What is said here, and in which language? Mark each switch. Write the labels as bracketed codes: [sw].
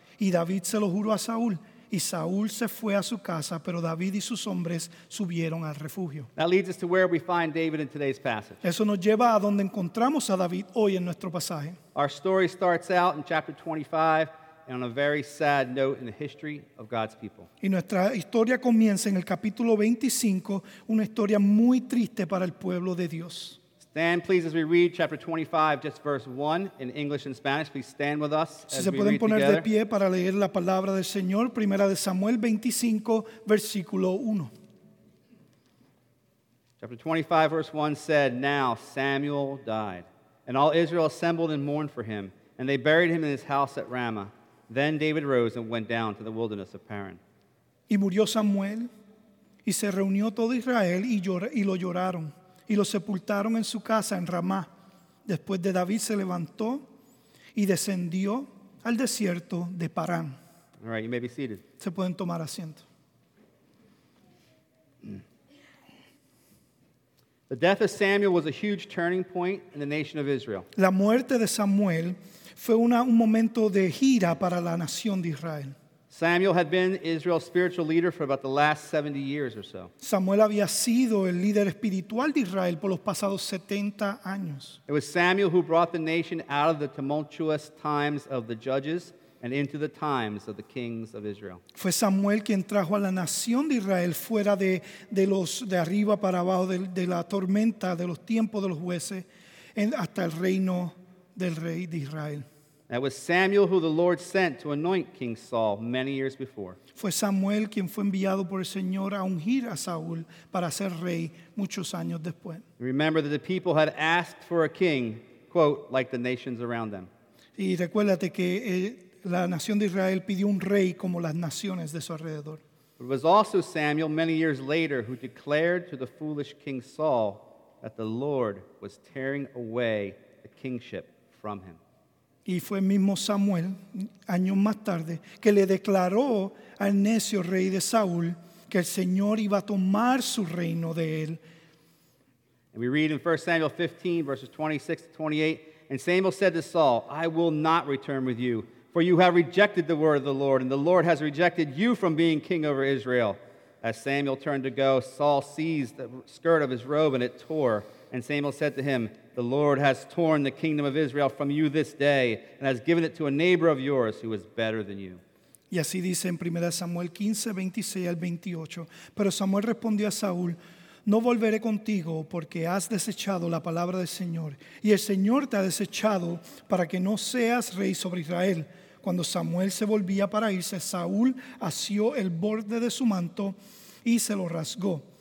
[es] Y David se lo juró a Saúl, y Saúl se fue a su casa, pero David y sus hombres subieron al refugio. [en] That leads us to where we find David in today's passage. [es] Eso nos lleva a donde encontramos a David hoy en nuestro pasaje. [en] Our story starts out in chapter 25 and on a very sad note in the history of God's people. [es] Y nuestra historia comienza en el capítulo 25, una historia muy triste para el pueblo de Dios. [en] Stand, please, as we read chapter 25, just verse 1 in English and Spanish. Please stand with us as we read together. [es] De pie para leer la palabra del Señor, primera de Samuel 25, versículo 1. [en] Chapter 25, verse 1 said, "Now Samuel died, and all Israel assembled and mourned for him, and they buried him in his house at Ramah. Then David rose and went down to the wilderness of Paran." [es] Y murió Samuel, y se reunió todo Israel, y lo lloraron. Y lo sepultaron en su casa en Ramá. Después de David se levantó y descendió al desierto de Parán. [en] All right, you may be seated. [es] Se pueden tomar asiento. [en] The death of Samuel was a huge turning point in the nation of Israel. [es] La muerte de Samuel Fue un momento de gira para la nación de Israel. [en] Samuel had been Israel's spiritual leader for about the last 70 years or so. [es] Samuel había sido el líder espiritual de Israel por los pasados 70 años. [en] It was Samuel who brought the nation out of the tumultuous times of the judges and into the times of the kings of Israel. [es] Fue Samuel quien trajo a la nación de Israel fuera de los de arriba para abajo de la tormenta de los tiempos de los jueces hasta el reino del rey de Israel. [en] That was Samuel who the Lord sent to anoint King Saul many years before. [es] Fue Samuel quien fue enviado por el Señor a ungir a Saúl para ser rey muchos años después. [en] Remember that the people had asked for a king, quote, like the nations around them. [es] Y recuérdate que la nación de Israel pidió un rey como las naciones de su alrededor. [en] It was also Samuel many years later who declared to the foolish King Saul that the Lord was tearing away the kingship from him. [es] Y fue mismo Samuel, años más tarde, que le declaró al necio rey de Saúl que el Señor iba a tomar su reino de él. [en] And we read in 1 Samuel 15, verses 26 to 28, and Samuel said to Saul, I will not return with you, for you have rejected the word of the Lord, and the Lord has rejected you from being king over Israel. As Samuel turned to go, Saul seized the skirt of his robe, and it tore. And Samuel said to him, The Lord has torn the kingdom of Israel from you this day and has given it to a neighbor of yours who is better than you. [es] Y así dice en 1 Samuel 15, 26 al 28. Pero Samuel respondió a Saúl, No volveré contigo porque has desechado la palabra del Señor y el Señor te ha desechado para que no seas rey sobre Israel. Cuando Samuel se volvía para irse, Saúl asió el borde de su manto y se lo rasgó.